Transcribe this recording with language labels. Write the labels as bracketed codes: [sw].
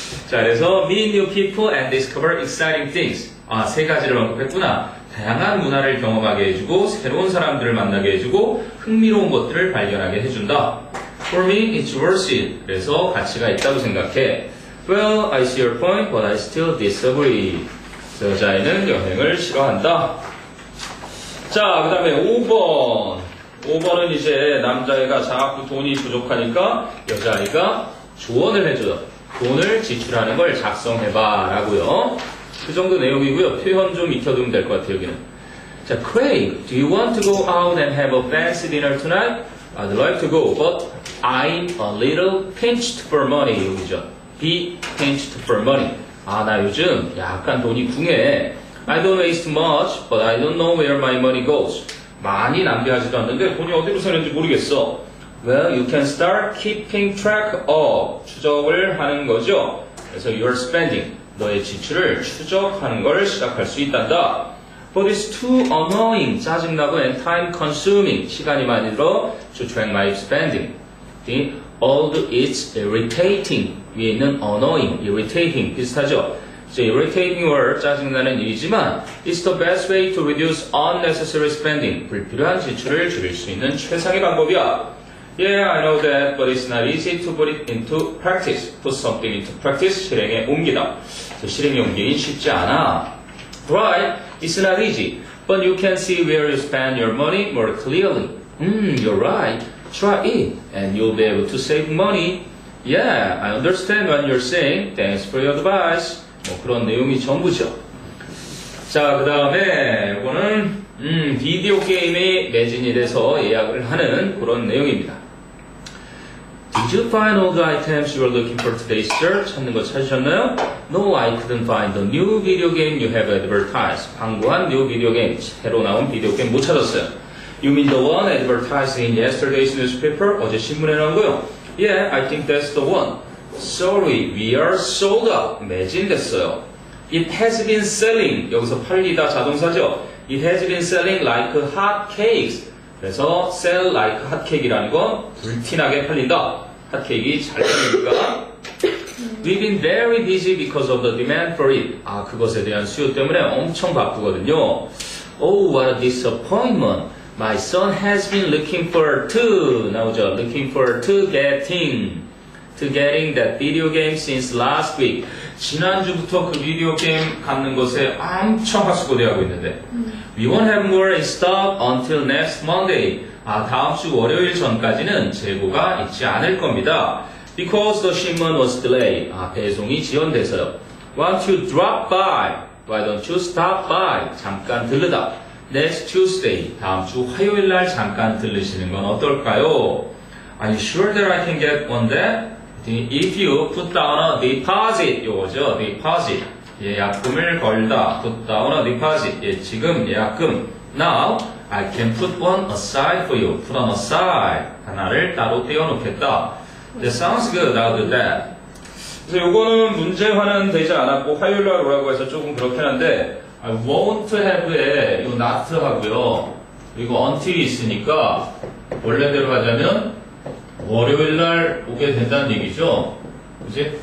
[en] 자, 그래서 meet new people and discover exciting things. [ko] 아, 세 가지를 언급했구나. 다양한 문화를 경험하게 해주고 새로운 사람들을 만나게 해주고 흥미로운 것들을 발견하게 해준다. [en] For me, it's worth it. [ko] 그래서 가치가 있다고 생각해. [en] Well, I see your point, but I still disagree. [ko] 여자애는 여행을 싫어한다. 자, 그 다음에 5번. 5번은 이제 남자애가 자꾸 돈이 부족하니까 여자애가 조언을 해줘요. 돈을 지출하는 걸 작성해봐 라고요. 그 정도 내용이고요. 표현 좀 익혀두면 될 것 같아요, 여기는. [en] 자, Craig, do you want to go out and have a fancy dinner tonight? I'd like to go, but I'm a little pinched for money. [ko] 여기죠. [en] Be pinched for money. [ko] 아, 나 요즘 약간 돈이 궁해. [en] I don't waste much, but I don't know where my money goes. [ko] 많이 낭비하지도 않는데 돈이 어디로 사는지 모르겠어. [en] Well, you can start keeping track of. [ko] 추적을 하는 거죠. [en] 그래서 your spending. [ko] 너의 지출을 추적하는 걸 시작할 수 있단다. [en] But it's too annoying. [ko] 짜증나고 [en] and time consuming. [ko] 시간이 많이 들어 [en] to track my spending. Although it's irritating. 위에 있는 annoying, irritating. 비슷하죠? So irritating word, [ko] 짜증나는 일이지만 [en] it's the best way to reduce unnecessary spending. [ko] 불필요한 지출을 줄일 수 있는 최상의 방법이야. [en] Yeah, I know that, but it's not easy to put it into practice. Put something into practice. [ko] 실행에 옮기다. 실행에 옮기긴 쉽지 않아. [en] Right, it's not easy. But you can see where you spend your money more clearly. You're right. Try it, and you'll be able to save money. Yeah, I understand what you're saying. Thanks for your advice. [ko] 뭐 그런 내용이 전부죠. 자, 그 다음에 이거는 비디오 게임에 매진이 돼서 예약을 하는 그런 내용입니다. [en] Did you find all the items you were looking for today, sir? [ko] 찾는 거 찾으셨나요? [en] No, I couldn't find the new video game you have advertised. [ko] 광고한 [en] new video game, [ko] 새로 나온 비디오 게임 못 찾았어요. [en] You mean the one advertised in yesterday's newspaper? [ko] 어제 신문에 나온 거요? [en] Yeah, I think that's the one. Sorry, we are sold out. [ko] 매진됐어요. [en] It has been selling. [ko] 여기서 팔리다 자동사죠. [en] It has been selling like hot cakes. [ko] 그래서 sell like hot cake이라는 건 불티나게 팔린다. Hot cake이 잘 팔리니까. [en] We've been very busy because of the demand for it. [ko] 아, 그것에 대한 수요 때문에 엄청 바쁘거든요. [en] Oh, what a disappointment. My son has been looking for to 나오죠. Looking for to getting. To getting that video game since last week. [ko] 지난주부터 그 비디오 게임 갖는 것에 엄청 하숙고대하고 있는데. [en] We won't have more in stock until next Monday. [ko] 아, 다음 주 월요일 전까지는 재고가 있지 않을 겁니다. [en] Because the shipment was delayed. [ko] 아, 배송이 지연돼서요. [en] Won't you drop by? Why don't you stop by? [ko] 잠깐 들르다. [en] Next Tuesday. [ko] 다음 주 화요일 날 잠깐 들르시는 건 어떨까요? [en] Are you sure that I can get one day? If you put down a deposit, [ko] 요거죠, [en] deposit. [ko] 예약금을 걸다, [en] put down a deposit. [ko] 예, 지금 예약금. [en] Now, I can put one aside for you. Put on a side. [ko] 하나를 따로 떼어놓겠다. [en] That sounds good, I'll do that. [ko] 그래서 요거는 문제화는 되지 않았고, 화요일날 오라고 해서 조금 그렇긴 한데, I won't have에 요 not 하고요. 그리고 until이 있으니까, 원래대로 하자면, 월요일 날 오게 된다는 얘기죠. 그치?